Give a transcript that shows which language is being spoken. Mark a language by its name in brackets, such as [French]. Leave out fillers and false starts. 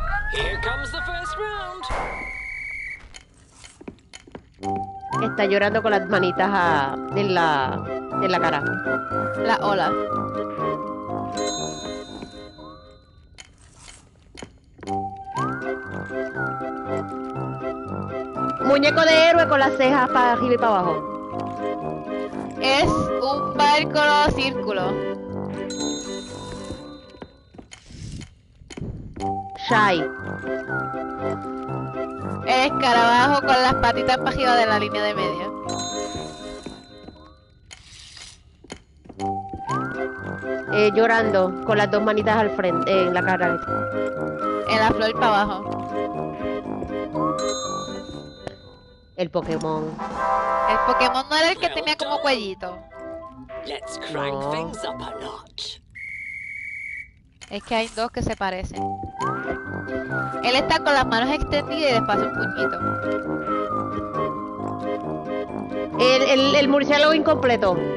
[English] Here comes the first round. [Spanish] Está llorando con las manitas en la cara. La ola. muñeco de héroe con las cejas para arriba y para abajo. Es un barco círculo. [English] Shy. [Spanish] El escarabajo con las patitas para arriba de la línea de medio. Llorando con las dos manitas al frente, en la cara. En la flor para abajo. El Pokémon. El Pokémon no era el que tenía como cuellito. [English] Let's crank things up a notch. [Spanish] Es que hay dos que se parecen. Él está con las manos extendidas y despacio un puñito. El murciélago incompleto.